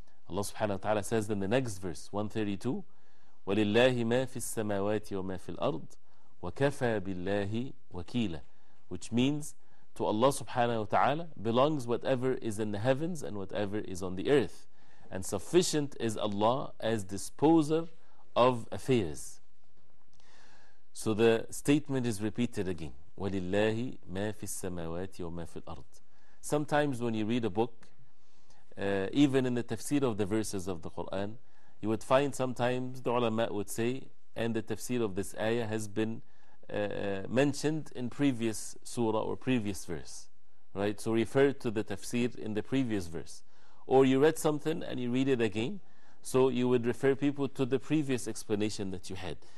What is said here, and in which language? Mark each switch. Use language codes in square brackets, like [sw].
[en] Allah subhanahu wa ta'ala says in the next verse, 132, [ar] وَلِلَّهِ مَا فِي السَّمَاوَاتِ وَمَا فِي الْأَرْضِ وَكَفَى بِاللَّهِ وَكِيلًا, [en] which means to Allah subhanahu wa ta'ala belongs whatever is in the heavens and whatever is on the earth, and sufficient is Allah as disposer of affairs. So the statement is repeated again, [ar] وَلِلَّهِ مَا فِي السَّمَاوَاتِ وَمَا فِي الْأَرْضِ. [en] Sometimes when you read a book, even in the tafsir of the verses of the Quran, you would find sometimes the ulama would say, and the tafsir of this ayah has been mentioned in previous surah or previous verse, right? So refer to the tafsir in the previous verse. Or you read something and you read it again, so you would refer people to the previous explanation that you had.